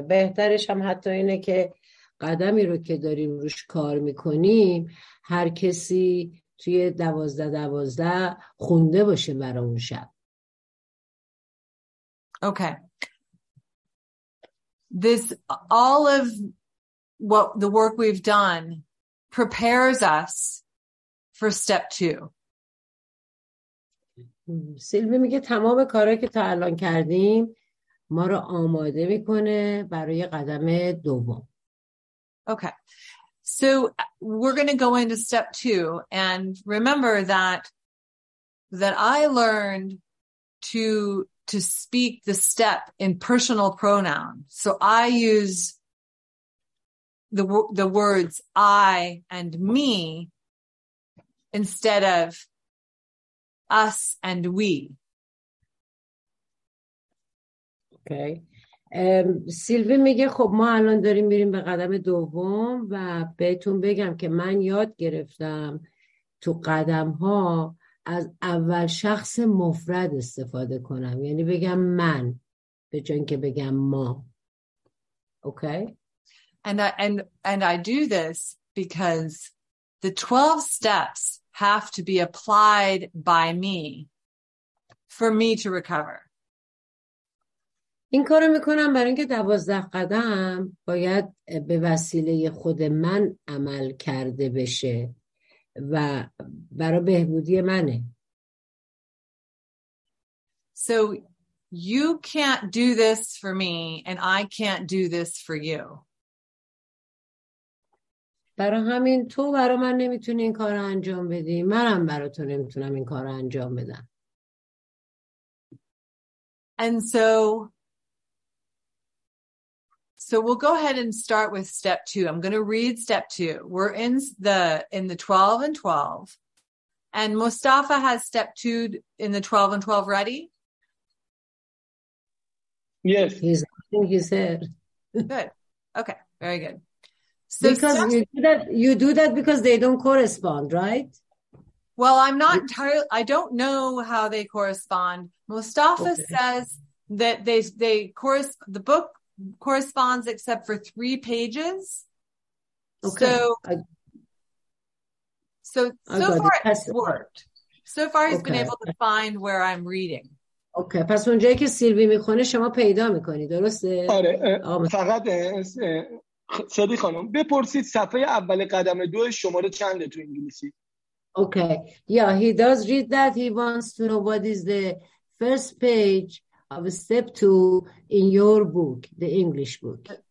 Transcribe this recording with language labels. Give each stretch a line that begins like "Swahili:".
Persian: بهترش هم حتی اینه که قدمی رو که داریم روش کار میکنیم هر کسی توی 12-12 خونده باشه برای اون شب.
English: Okay. This, all of what the work we've done prepares us for step two.
Persian: سیلوی میگه تمام کارهایی که تا الان کردیم ما رو آماده میکنه برای قدم دوم.
English: Okay. So we're going to go into step two, and remember that I learned to speak the step in personal pronoun. So I use the words I and me instead of us and we. Okay.
Persian: سیلوی میگه خب ما الان داریم میریم به قدم دوم و بهتون بگم که من یاد گرفتم تو قدم ها از اول شخص مفرد استفاده کنم، یعنی بگم من به جای اینکه بگم ما.
English: Okay. And I do this because the 12 steps have to be applied by me for me to recover.
Persian: این کارو میکنم برای اینکه 12 قدم باید به وسیله خود من عمل کرده بشه و برای بهبودی منه.
English: So you can't do this for me and I can't do this for you.
Persian: برای همین تو برای من نمیتونی این کارو انجام بدی، منم برای تو نمیتونم این کارو انجام بدم.
English: And so we'll go ahead and start with step two. I'm going to read step two. We're in the 12 and 12. And Mustafa has step two in the 12 and 12 ready? Yes. He's here. Good. Okay. Very good. So because you do that because they don't correspond, right? Well, I'm not entirely, I don't know how they correspond. Mustafa says that they correspond, the book corresponds except for 3 pages. So far he's been able to find where I'm reading.
Persian: Okay, پس اونجایی که سیلوی میخونه شما پیدا میکنی، درسته؟ آره. فقط سادی خانم بپرسید صفحه اول قدم دو شماره چنده تو انگلیسی.
English: Okay. Yeah, he does read that. He wants to know what is the first page of step two in your book, the English book.